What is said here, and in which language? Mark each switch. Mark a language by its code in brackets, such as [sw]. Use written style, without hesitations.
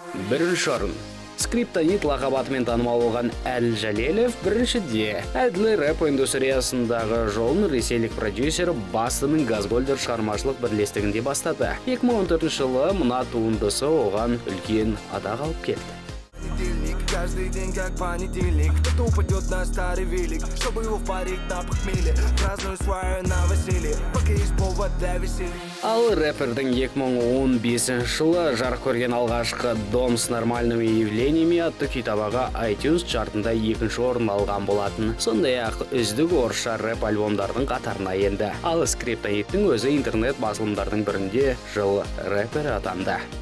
[kk] 1-ші орын. Скриптонит лақабатымен танымал болған Әл Жәлелев 1-де. Әділі рэп индустриясындағы жолын ресейлік продюсер Бастының Газгольдер шығармашылық бірлестігінде бастады. 2014 жылы мына туындысы оған үлкен адақ алып келді. [ru] Каждый день как понедельник, кто-то упадет на старый велик, чтобы его парить на похмелье, праздную свою на веселье, пока есть повод для веселья. [kk] Ал рэпердің 2015 жылы жарық көрген алғашқы «Дом с нормальными явлениями» атты китабаға iTunes чартында 2-ші орын алған болатын. Сондай ақ үздік орысша рэп альбомдардың қатарына енді. Ал Скриптониттің өзі интернет басылымдардың бірінде жыл рэпер атанды.